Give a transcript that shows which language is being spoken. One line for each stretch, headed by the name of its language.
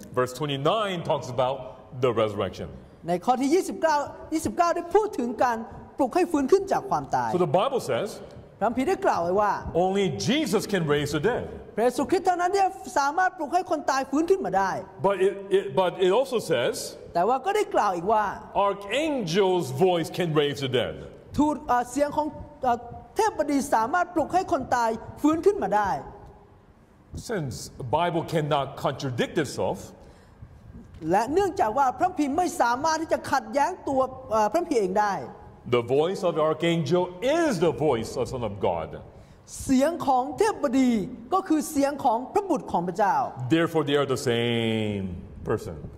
English: Verse 29 talks about the resurrection.
Thai: ในข้อที่29ได้พูดถึงการปลุกให้ฟื้นขึ้นจากความตาย
English: So the Bible says
Thai: พระคัมภีร์ได้กล่าวไว้ว่า
English: Only Jesus can raise the dead.
Thai: พระเยซูคริสต์เท่านั้นที่สามารถปลุกให้คนตายฟื้นขึ้นมาได้
English: But it also says.
Thai: แต่ว่าก็ได้กล่าวอีกว่า
English: Archangel's voice can raise the dead
Thai: ทูตเสียงของเทพบดีสามารถปลุกให้คนตายฟื้นขึ้นมาได้
English: Since the Bible cannot contradict itself
Thai: และเนื่องจากว่าพระคัมภีร์ไม่สามารถที่จะขัดแย้งตัวพระคัมภีร์เองได้
English: The voice of the archangel is the voice of the Son of God
Thai: เสียงของเทพบดีก็คือเสียงของพระบุตรของพระเจ้า
English: Therefore they are the same person